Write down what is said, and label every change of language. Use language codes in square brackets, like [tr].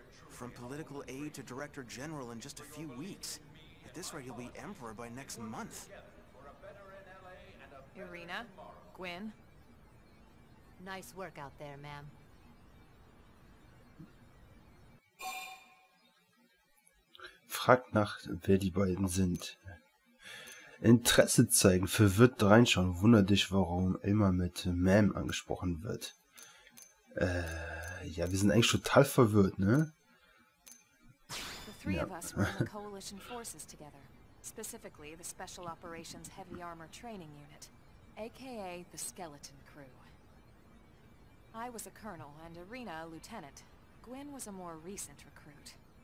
[en] from political aide to director general in just a few weeks. At this rate, he'll be emperor by next month. Irina? Gwyn? Nice work out there, ma'am. [de] Fragt nach, wer die beiden sind. Interesse zeigen, verwirrt reinschauen, wunder dich, warum immer mit Ma'am angesprochen wird. Ja, wir sind eigentlich total verwirrt, ne? [en] The three of us were in the coalition forces together. Specifically the Special Operations Heavy Armor Training Unit, aka the Skeleton Crew. I was a colonel and Irina a lieutenant. Gwyn was a more recent recruit.